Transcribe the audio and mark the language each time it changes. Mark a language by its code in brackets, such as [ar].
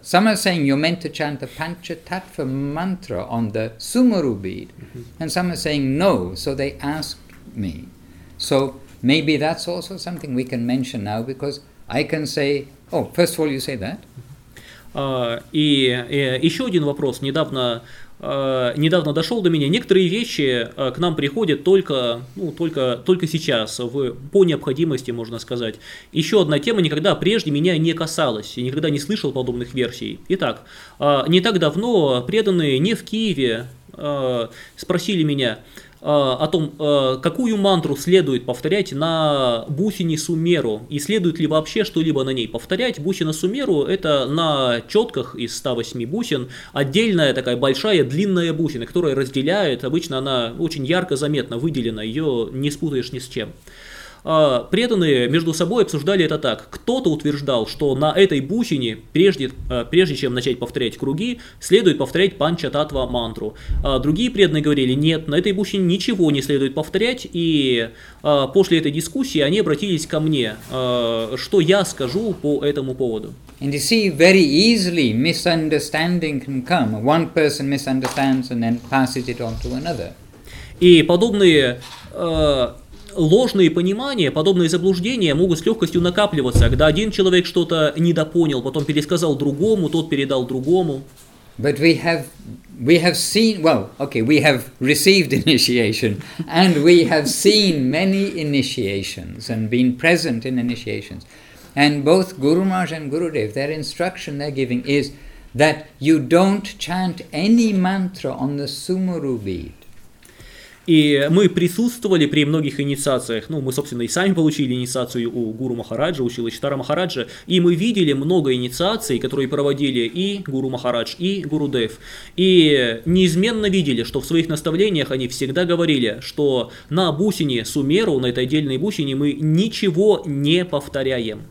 [en] Some are saying you're meant to chant the Panchatattva mantra on the Sumeru bead. Mm-hmm. And some are saying no, so they asked me. So maybe that's also something we can mention now, because I can say, oh, first of all, you say that. [ru] Еще один вопрос. Недавно дошел до меня, некоторые вещи к нам приходят только сейчас, по необходимости, можно сказать. Еще одна тема никогда прежде меня не касалась, и никогда не слышал подобных версий. Итак, не так давно преданные не в Киеве спросили меня о том, какую мантру следует повторять на бусине Сумеру, и следует ли вообще что-либо на ней повторять. Бусина Сумеру – это на четках из 108 бусин отдельная такая большая длинная бусина, которая разделяет, обычно она очень ярко заметно выделена, ее не спутаешь ни с чем. Преданные между собой обсуждали это так. Кто-то утверждал, что на этой бусине, прежде чем начать повторять круги, следует повторять Панчататва мантру. Другие преданные говорили, нет, на этой бусине ничего не следует повторять. И после этой дискуссии они обратились ко мне. Что я скажу по этому поводу? [en] And you see, very easily misunderstanding can come. One person misunderstands and then passes it on to another. [ru] И подобные ложные понимания, подобные заблуждения могут с легкостью накапливаться, когда один человек что-то недопонял, потом пересказал другому, тот передал другому. [en] But we have seen, well, okay, we have received initiation, and we have seen many initiations and been present in initiations. And both Guru Maharaj and Gurudev, their instruction they're giving is that you don't chant any mantra on the Sumeru bead. [ru] И мы присутствовали при многих инициациях, мы, собственно, и сами получили инициацию у Гуру Махараджа, у Шрилы Чайтаньи Махараджа, и мы видели много инициаций, которые проводили и Гуру Махарадж, и Гуру Дев, и неизменно видели, что в своих наставлениях они всегда говорили, что на бусине Сумеру, на этой отдельной бусине, мы ничего не повторяем.